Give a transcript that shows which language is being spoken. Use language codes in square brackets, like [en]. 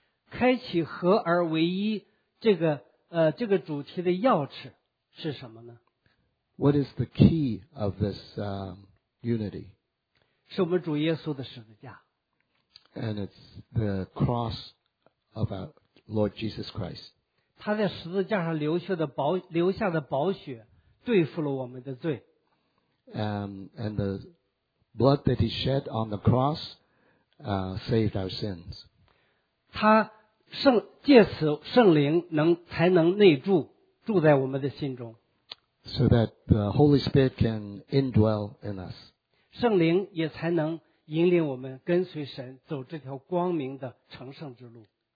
[zh] 开启合而为一这个主题的钥匙是什么呢？ [en] What is the key of this unity? [zh] 是我们主耶稣的十字架。 [en] And it's the cross of our Lord Jesus Christ. [zh] 他在十字架上留下的宝血对付了我们的罪。 [en] And the blood that he shed on the cross saved our sins. [zh] 他圣借此圣灵能才能内住住在我们的心中。 [en] So that the Holy Spirit can indwell in us. [zh] 圣灵也才能引领我们跟随神走这条光明的成圣之路。